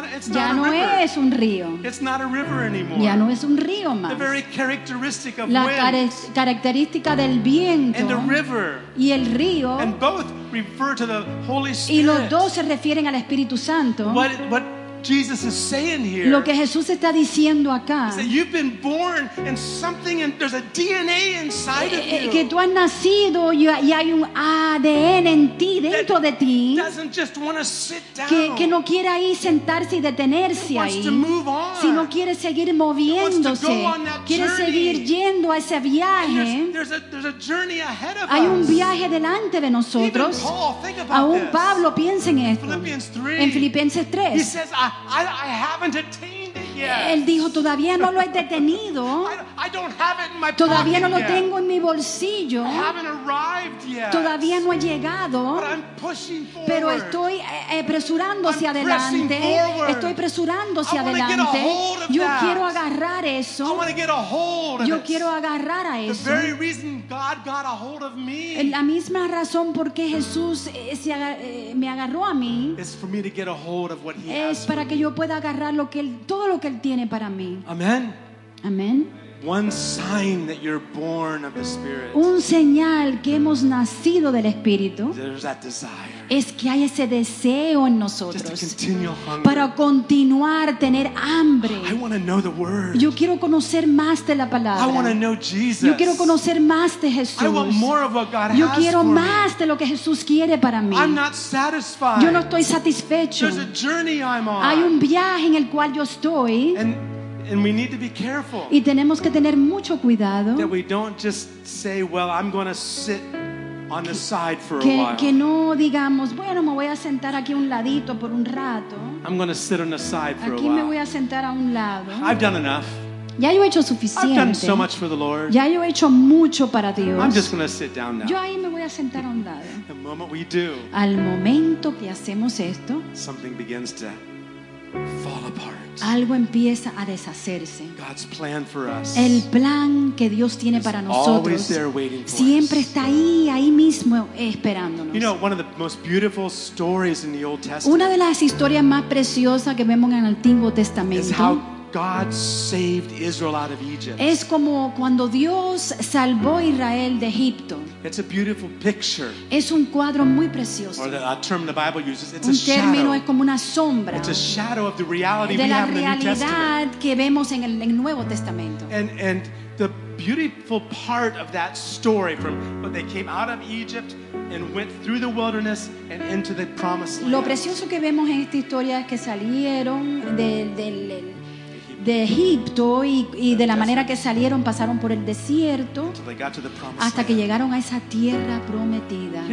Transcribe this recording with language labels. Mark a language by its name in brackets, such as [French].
[Spanish] Ya no es un río. [English] It's not a river anymore. [Spanish] Ya no es un río más. [English] The very characteristic of [Spanish] la característica del viento [English] and the river. [Spanish] Y el río. [English] And both refer to the Holy Spirit. [Spanish] Y los dos se refieren al Espíritu Santo. [English] What Jesus is saying here. [Spanish] Lo que Jesús está diciendo acá. [English] You've been born in something and there's a DNA inside of you. [Spanish] Que tú has nacido y hay un ADN en ti, dentro de ti. [English] Doesn't just want to sit down. [Spanish] Que no quiere ahí sentarse y detenerse ahí. [English] Wants to move on. [Spanish] Si no quiere seguir moviéndose. Quiere seguir yendo a ese viaje. [English] There's a journey ahead of us. [Spanish] Hay un viaje delante de nosotros. Aún Pablo piensa en esto. [English] Philippians 3. [Spanish] En Filipenses 3. [English] I haven't attained it yet. [Spanish] Él dijo, todavía no lo he detenido. [English] I don't have it in my [Spanish] todavía [English] pocket [Spanish] no lo [English] yet. [Spanish] Tengo en mi bolsillo. [English] I haven't arrived yet. [Spanish] Todavía no he llegado. [English] But I'm pushing forward. [Spanish] Pero estoy apresurando hacia adelante. Estoy apresurando hacia adelante. Yo quiero agarrar eso. [English] I want to get a hold of [Spanish] yo quiero agarrar a eso. [English] The very reason God got a hold of me. [Spanish] La misma razón por qué Jesús me agarró a mí. [English] Is for me to get a hold of what he [Spanish] es para que yo pueda agarrar lo que él, todo lo que él tiene para mí. [English] Amen. [Spanish] Amen. [English] One sign that you're born of the Spirit. [Spanish] Un señal que hemos nacido del Espíritu. [English] There's that desire. [Spanish] Es que hay ese deseo en nosotros. [English] Just to continue hungry. [Spanish] Para continuar tener hambre. [English] I want to know the word. [Spanish] Yo quiero conocer más de la palabra. [English] I want to know Jesus. [Spanish] Yo quiero conocer más de Jesús. [English] I want more of what God has for me. [Spanish] Yo quiero más de lo que Jesús quiere para mí. [English] I'm not satisfied. [Spanish] Yo no estoy satisfecho. [English] There's a journey I'm on. [Spanish] Hay un viaje en el cual yo estoy. [English] And we need to be careful. [Spanish] Y tenemos que tener mucho cuidado. [English] That we don't just say, well, I'm going to sit on the side for [Spanish] que, [English] a while. [Spanish] Que no digamos, bueno, me voy a sentar aquí un ladito por un rato. [English] I'm going to sit on the side for [Spanish] aquí [English] a while. [Spanish] Aquí me voy a sentar a un lado. [English] I've done enough. [Spanish] Ya yo he hecho suficiente. [English] I've done so much for the Lord. [Spanish] Ya yo he hecho mucho para Dios. [English] I'm just going to sit down now. [Spanish] Yo ahí me voy a sentar a un lado. [English] The moment we do. [Spanish] Al momento que hacemos esto, [English] something begins to fall apart. [Spanish] Algo empieza a deshacerse. [English] God's plan for us. [Spanish] El plan que Dios tiene para nosotros siempre está ahí mismo esperándonos. [English] You know, one of the most beautiful stories in the Old Testament. [Spanish] Una de las historias más preciosas que vemos en el Antiguo Testamento. [English] Is how God saved Israel out of Egypt. [Spanish] Es como cuando Dios salvó a Israel de Egipto. [English] It's a beautiful picture. [Spanish] Es un cuadro muy precioso. [English] Or a term the Bible uses. It's [Spanish] un [English] a shadow. [Spanish] Término es como una sombra. [English] It's a shadow of the reality [Spanish] de [English] we [Spanish] la [English] have [Spanish] realidad [English] in the New Testament. [Spanish] Que vemos en el Nuevo Testamento. [English] And the beautiful part of that story from when they came out of Egypt and went through the wilderness and into the promised land. [Spanish] Lo precioso que vemos en esta historia es que salieron de Egipto y de la manera que salieron pasaron por el desierto hasta que llegaron a esa tierra prometida.